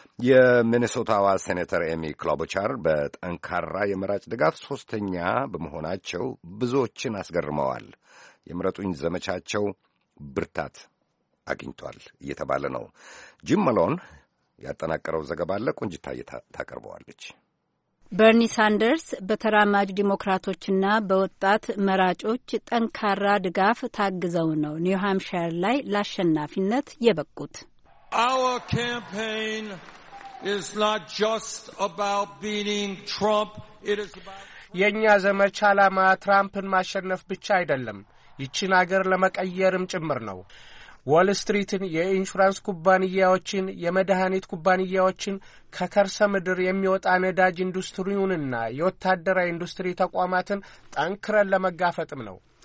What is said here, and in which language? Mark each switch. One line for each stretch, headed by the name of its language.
Amharic: የሚኒሶታዋ ሴኔተር ኤሚ ክሎቦቻር በጠንካራ የመራጭ ድጋፍ ሦስተኛ በመሆናቸው ብዙዎችን አስገርመዋል። የምረጡኝ ዘመቻቸው ብርታት አግኝቷል እየተባለ ነው። ጂም መሎን ያጠናቀረው ዘገባ አለ፣ ቆንጅታዬ ታቀርበዋለች። በርኒ ሳንደርስ በተራማጅ ዲሞክራቶችና በወጣት መራጮች ጠንካራ ድጋፍ ታግዘው ነው ኒው ሃምፕሻየር ላይ ለአሸናፊነት የበቁት።
English: Our campaign is not just about beating Trump. It is about
Amharic: የኛ ዘመቻ ዓላማ ትራምፕን ማሸነፍ ብቻ አይደለም፣ ይቺን አገር ለመቀየርም ጭምር ነው። ዋል ስትሪትን፣ የኢንሹራንስ ኩባንያዎችን፣ የመድኃኒት ኩባንያዎችን፣ ከከርሰ ምድር የሚወጣ ነዳጅ ኢንዱስትሪውንና የወታደራዊ ኢንዱስትሪ ተቋማትን ጠንክረን ለመጋፈጥም ነው።